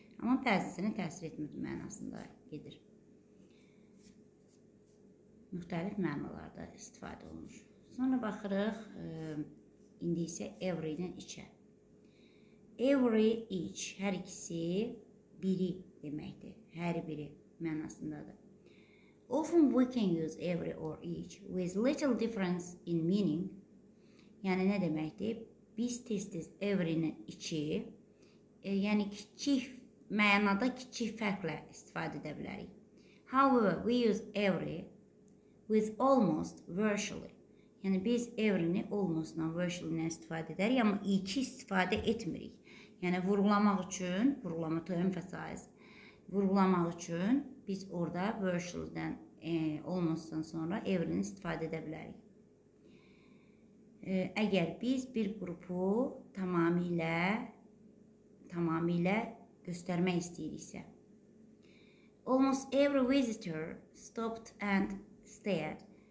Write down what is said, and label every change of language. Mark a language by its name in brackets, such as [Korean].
[Azerbaijani] Amma bəzisini təsir etmədi mənasında gedir. Müxtəlif mənalarda istifadə olunur. Sonra baxırıq, indi isə every-nin içə. Every, each, hər ikisi biri deməkdir. Hər biri mənasındadır. [English] Often we can use every or each with little difference in meaning. [Azerbaijani] Yəni, nə deməkdir? Biz tez-tez every-nin içi, yəni kiçik, mənada kiçik fərqlə istifadə edə bilərik. [English] However, we use every with almost virtually. [Azerbaijani] Yəni, biz every-ni almost-la virtually-nə istifadə edərik, amma iki istifadə etmirik. Yəni, vurgulamaq üçün, vurgulama [English] to emphasize, [Azerbaijani] vurgulamaq üçün biz orada virtually-dən almost-dan sonra every-ni istifadə edə bilərik. Əgər biz bir qrupu tamamilə göstərmək istəyiriksə. [English] Almost every visitor stopped and stared.